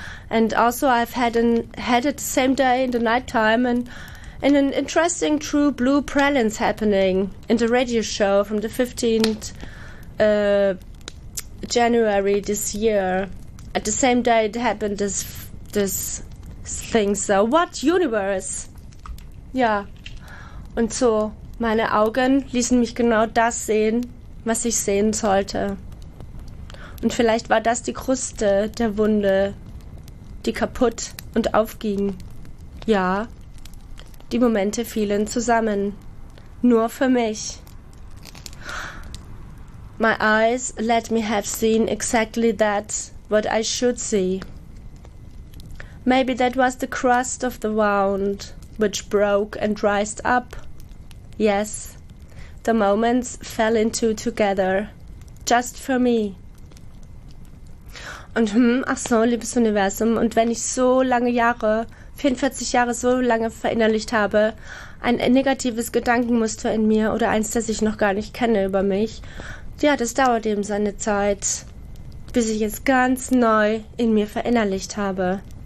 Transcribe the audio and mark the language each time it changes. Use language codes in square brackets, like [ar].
[en] And also I've had it the same day in the nighttime and an interesting true blue prelins happening in the radio show from the 15th January this year. At the same day it happened this thing. So what universe? [de] Ja, und so meine Augen ließen mich genau das sehen, was ich sehen sollte. Und vielleicht war das die Kruste der Wunde, die kaputt und aufging. Ja, die Momente fielen zusammen, nur für mich. [en] My eyes let me have seen exactly that, what I should see. Maybe that was the crust of the wound, which broke and rised up. Yes, the moments fell into together, just for me. [de] Und ach so, liebes Universum, und wenn ich so lange Jahre, 44 Jahre so lange verinnerlicht habe, ein negatives Gedankenmuster in mir oder eins, das ich noch gar nicht kenne über mich, ja, das dauert eben seine Zeit, bis ich es ganz neu in mir verinnerlicht habe.